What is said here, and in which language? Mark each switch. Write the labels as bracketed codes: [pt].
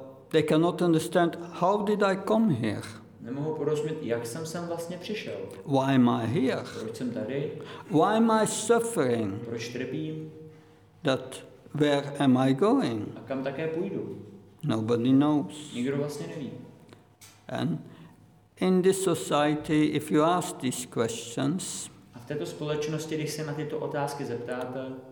[en] They cannot understand how did I come here? [cs] Nemohu porozumět, jak jsem sem vlastně přišel. [en] Why am I here? [cs] Proč jsem tady? [en] Why am I suffering? [cs] Proč trpím? [en] That where am I going? [cs] A kam také půjdu? [en] Nobody knows. [cs] Nikdo vlastně neví. [en] And in this society, if you ask these questions, [cs] a v této společnosti, když se na tyto otázky zeptáte,